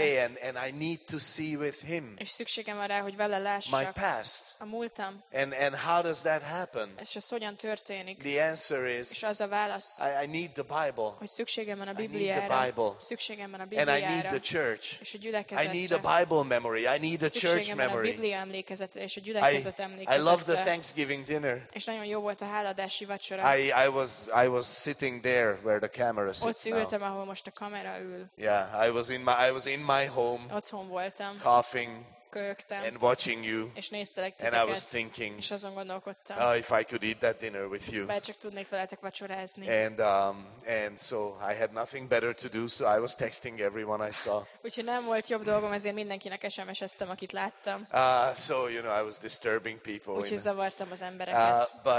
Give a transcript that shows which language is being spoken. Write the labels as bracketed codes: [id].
[en] Okay, and I need to see with him. [hu] És szükségem van rá, hogy vele lássak. [en] My past. [hu] A múltam. [en] And how does that happen? [hu] És ez hogyan történik? [en] The answer is. [hu] És az a válasz. [en] I need the Bible. [hu] Hogy szükségem van a Bibliára. [en] I need the Bible. [hu] Szükségem van a Bibliára. [en] And I need the church. [hu] És a gyülekezetre. [en] I need a Bible memory. I need a church memory. [hu] Szükségem van a Biblia emlékezetre és a gyülekezet emlékezetre. [en] I love the Thanksgiving dinner. [hu] És nagyon jó volt a háladási vacsora. [en] I was sitting there where the camera sits. [hu] Ott ültem, [en] now. [hu] Ahol most a kamera ül. [en] Yeah, I was in my home. [hu] Otthon voltam. [en] Coughing. [hu] Köhögtem. [en] And watching you. [hu] És néztelek titeket. [en] And I was thinking. [hu] És azon gondolkodtam. [en] If I could eat that dinner with you. [hu] Bár csak tudnék veletek vacsorázni. [en] And so I had nothing better to do, so I was texting everyone I saw. [hu] Úgyhogy nem volt jobb dolgom, ezért mindenkinek SMS-eztem, akit láttam. [en] So you know, I was disturbing people. [hu] Úgyhogy zavartam az embereket.